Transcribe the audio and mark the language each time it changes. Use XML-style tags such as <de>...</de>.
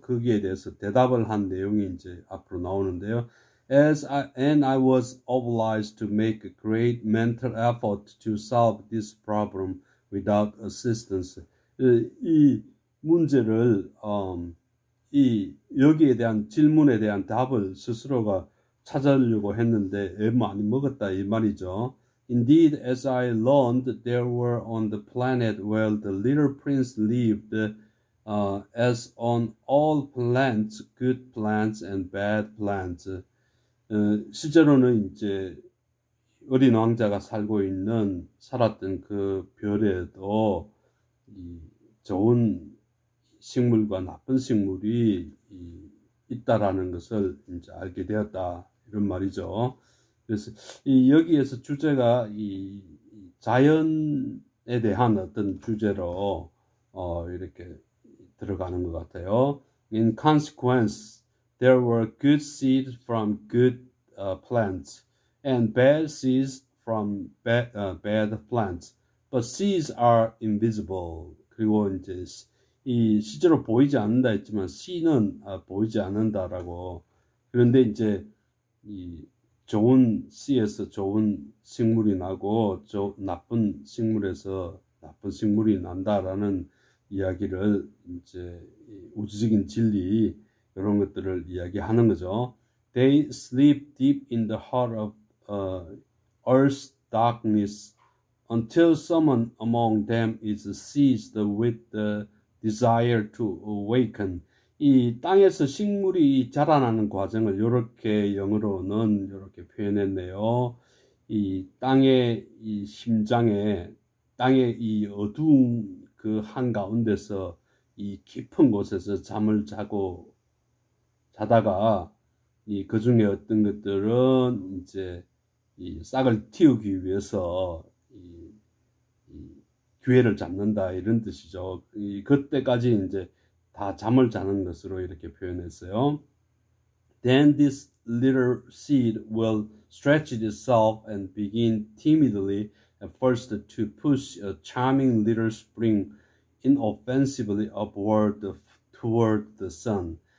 <ko>거기에 대해서 대답을 한 내용이 이제 앞으로 나오는데요.</ko> <en>And I was obliged to make a great mental effort to solve this problem without assistance.</en> <ko>이 문제를 여기에 대한 질문에 대한 답을 스스로가 찾아내려고 했는데 애 많이 먹었다 이 말이죠.</ko> <en>Indeed, as I learned, there were on the planet where the little prince lived, as on all plants, good plants and bad plants.</en> <ko>실제로는 이제 어린 왕자가 살고 있는 살았던 그 별에도 좋은 식물과 나쁜 식물이 있다라는 것을 이제 알게 되었다 이런 말이죠. 그래서 여기에서 주제가 이 자연에 대한 어떤 주제로 이렇게 들어가는 것 같아요.</ko> <en>In consequence, there were good seeds from good plants and bad seeds from bad plants. But seeds are invisible.</en> <ko>그리고 이제 실제로 보이지 않는다 했지만 씨는 보이지 않는다라고. 그런데 이제 좋은 씨에서 좋은 식물이 나고, 나쁜 식물에서 나쁜 식물이 난다라는 이야기를 이제 우주적인 진리 이런 것들을 이야기하는 거죠.</ko> <en>They sleep deep in the heart of Earth's darkness until someone among them is seized with the desire to awaken.</en> <ko>이 땅에서 식물이 자라나는 과정을 이렇게 영어로는 이렇게 표현했네요. 이 땅의 이 심장에 땅의 이 어두운 그 한가운데서 이 깊은 곳에서 잠을 자고 자다가 이 그 중에 어떤 것들은 이제 이 싹을 틔우기 위해서 이 기회를 잡는다 이런 뜻이죠. 이 그때까지 이제 다 잠을 자는 것으로 이렇게 표현했어요.</ko> <en>Then this little seed will stretch itself and begin timidly at first to push a charming little spring inoffensively upward toward the sun.</en>